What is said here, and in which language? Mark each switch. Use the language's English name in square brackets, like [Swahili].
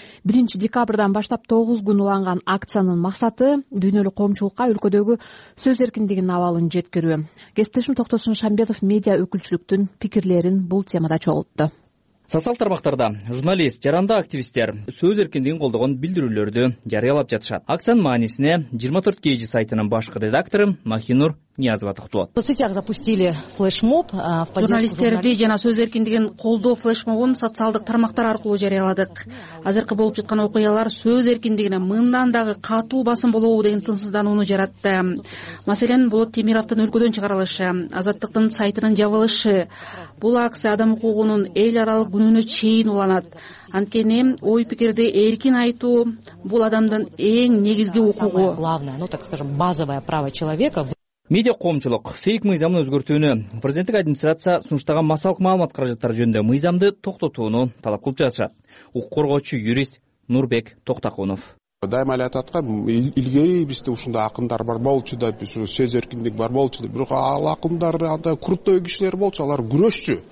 [Kyrgyz] 1 декабрдан баштап 9 күн уланган акциянын максаты дүйнөлүк коомчулукка өлкөдөгү сөз эркиндигинин абалын жеткирүү. Кесиптешим Токтосун Шамбетов медиа өкүлчүлүктүн пикирлерин бул темада чогултту. Социал тармактарда журналист, жаранда активисттер сөз эркиндигин колдогон билдирүүлөрдү жарыялап жатышат. Акциянын маанисине 24 KG сайтынын башкы редактору Махинур Ниязова токтолот. [Russian] В соцсетях запустили флешмоб. [Kyrgyz] Журналисттерди жана сөз эркиндигин колдоо флешмобун социалдык тармактар аркылуу жарыяладык. Азыркы болуп жаткан окуялар сөз эркиндигине мындан дагы катуу басым болобу деген тынсыздануну жаратты. Маселен, Болот Темировдун өлкөдөн чыгарылышы, Азаттыктын сайтынын жабылышы, бул акция адам укугунун эл аралык күнүнө чейин уланат. Анткени ой пикирди эркин айтуу бул адамдын эң негизги укугу. [Russian] Главное, ну так скажем, базовое право человека. [Kyrgyz] Медиа коомчулук фейк мыйзамын өзгөртүүнү, президенттик администрация сунуштаган массалык маалымат каражаттары жөнүндө мыйзамды токтотууну талап кылып жатышат. Укук коргоочу юрист Нурбек Токтокунов. Дайыма эле айтып аткан, илгери бизде ушундай акындар бар болчу да, биз сөз эркиндиги бар болчу да, бирок ал акындар андай крутой кишилер болчу, алар күрөшчү.